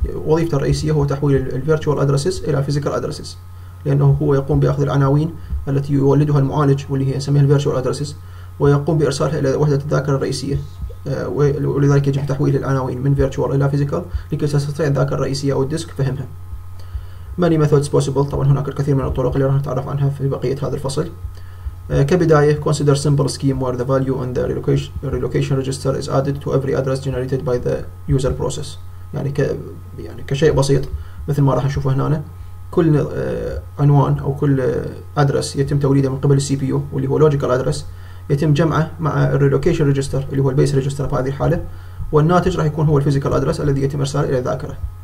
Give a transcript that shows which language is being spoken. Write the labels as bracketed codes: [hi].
[ar] وظيفته الرئيسية هو تحويل الفيرتشوال ادريسز إلى فيزيكال ادريسز، لأنه هو يقوم بأخذ العناوين التي يولدها المعالج واللي هي نسميها الفيرتشوال ادريسز ويقوم بإرسالها إلى وحدة الذاكرة الرئيسية، ولذلك يجب تحويل العناوين من فيرتشوال إلى فيزيكال لكي تستطيع الذاكرة الرئيسية أو الديسك فهمها. [en] Many methods possible. [ar] طبعا هناك الكثير من الطرق اللي راح نتعرف عنها في بقية هذا الفصل. [en] كبداية consider simple scheme where the value on the relocation register is added to every address generated by the user process. [ar] يعني كشيء بسيط مثل ما راح نشوفه هنا، كل عنوان أو كل address يتم توليده من قبل CPU واللي هو logical address يتم جمعه مع relocation register اللي هو base register في هذه الحالة، والناتج راح يكون هو physical address الذي يتم إرساله إلى الذاكرة.